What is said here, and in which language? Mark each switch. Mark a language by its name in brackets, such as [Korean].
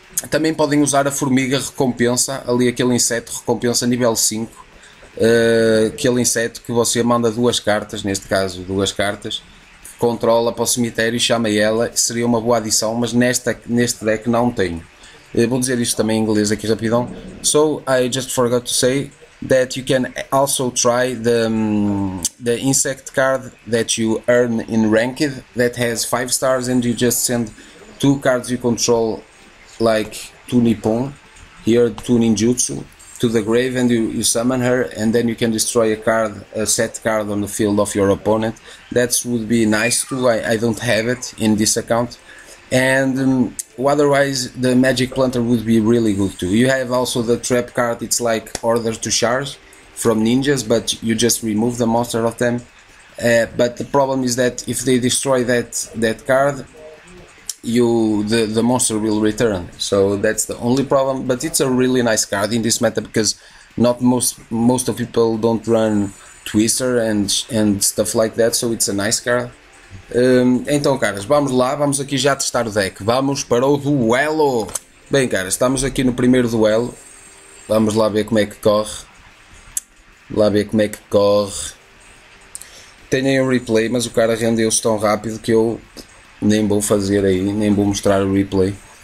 [Portuguese] Também podem usar a formiga recompensa, ali aquele inseto recompensa nível 5, aquele inseto que você manda duas cartas, neste caso duas cartas, que controla para o cemitério e chama ela, seria uma boa adição, mas neste deck não tenho. Vou dizer isto também em inglês aqui rapidão. [English] So I just forgot to say that you can also try the insect card that you earn in ranked that has 5 stars and you just send 2 cards you control, like 2 Nippon, here 2 Ninjutsu, to the grave, and you summon her, and then you can destroy a set card on the field of your opponent. That would be nice too, I don't have it in this account. And otherwise, the Magic Planter would be really good too. You have also the trap card, it's like Order to Charge from ninjas, but you just remove the monster of them. But the problem is that if they destroy that card, the monster will return, so that's the only problem. But it's a really nice card in this meta, because not most of people don't run Twister and stuff like that, so it's a nice card. [Portuguese] Então, caras, vamos lá, vamos aqui já testar o deck. Vamos para o duelo. Bem, caras, estamos aqui no primeiro duelo. Vamos lá ver como é que corre. Lá ver como é que corre. Tenho aí um replay, mas o cara rendeu-se tão rápido que eu nem vou fazer aí, nem vou mostrar o replay.